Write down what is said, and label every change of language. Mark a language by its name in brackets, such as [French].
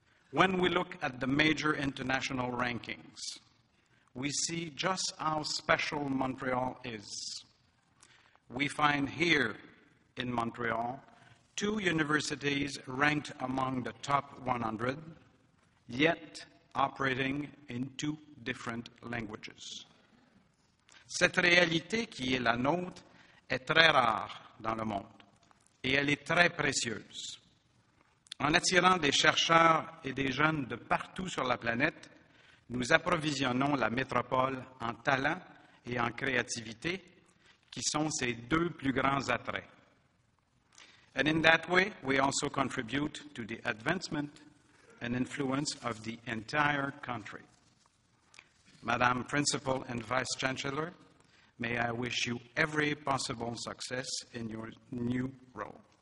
[English] When we look at the major international rankings, we see just how special Montreal is. We find here in Montreal two universities ranked among the top 100, yet operating in two different languages. [French] Cette réalité qui est la nôtre est très rare dans le monde et elle est très précieuse. En attirant des chercheurs et des jeunes de partout sur la planète, nous approvisionnons la métropole en talent et en créativité, qui sont ses deux plus grands attraits. [English] And in that way, we also contribute to the advancement and influence of the entire country. Madam Principal and Vice Chancellor, may I wish you every possible success in your new role.